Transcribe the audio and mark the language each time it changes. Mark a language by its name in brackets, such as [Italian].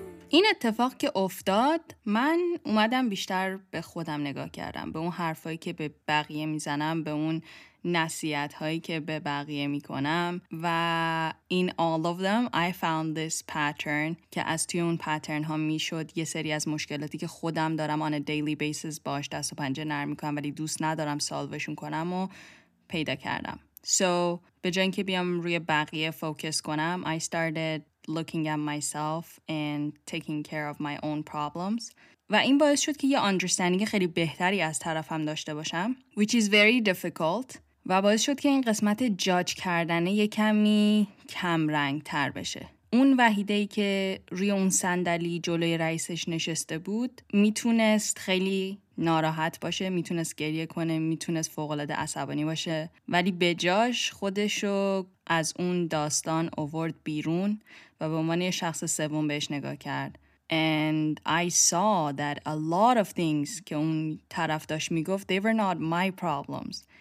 [Persian] این اتفاق که افتاد من اومدم بیشتر به خودم نگاه کردم به اون حرفایی که به بقیه میزنم به اون نصیحتهایی که به بقیه میکنم و [English] in all of them I found this pattern [Persian] که از توی اون پترن ها میشد یه سری از مشکلاتی که خودم دارم [English] on a daily basis [Persian] باش دست و پنجه نرم میکنم ولی دوست ندارم سالوشون کنم و پیدا کردم. [English] So, [Persian] به جای اینکه بیام روی بقیه فوکس کنم, [English] I started looking at myself and taking care of my own problems. [Persian] و این باعث شد که یه understanding خیلی بهتری از طرفم داشته باشم, [English] which is very difficult. [Persian] و باعث شد که این قسمت judge کردنه یه کمی کم رنگ تر بشه. اون وحیده‌ای که روی اون صندلی جلوی رئیسش نشسته بود میتونست خیلی ناراحت باشه میتونست گریه کنه میتونست فوق‌العاده عصبانی باشه ولی به جاش خودشو از اون داستان آورد بیرون و به عنوان یه شخص سوم بهش نگاه کرد [English] And I saw that a lot of things [Persian] که اون طرف داشت میگفت [English] They were not my problems